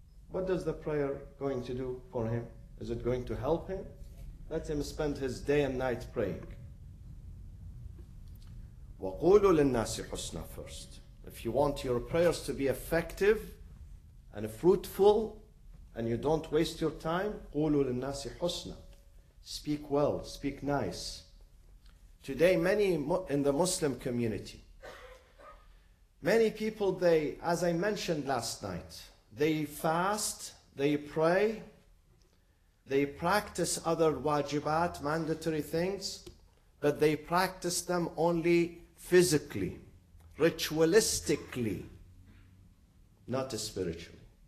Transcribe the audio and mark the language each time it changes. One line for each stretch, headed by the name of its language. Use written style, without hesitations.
English: What does the prayer going to do for him? Is it going to help him? Let him spend his day and night praying.
Arabic: وَقُولُوا لِلنَّاسِ حُسْنًا first.
English: If you want your prayers to be effective and fruitful, and you don't waste your time, قُولُوا لِلنَّاسِ حُسْنًا. Speak well, speak nice. Today, many in the Muslim community, many people, they, as I mentioned last night, they fast, they pray, they practice other wajibat, mandatory things, but they practice them only physically, ritualistically, not spiritually.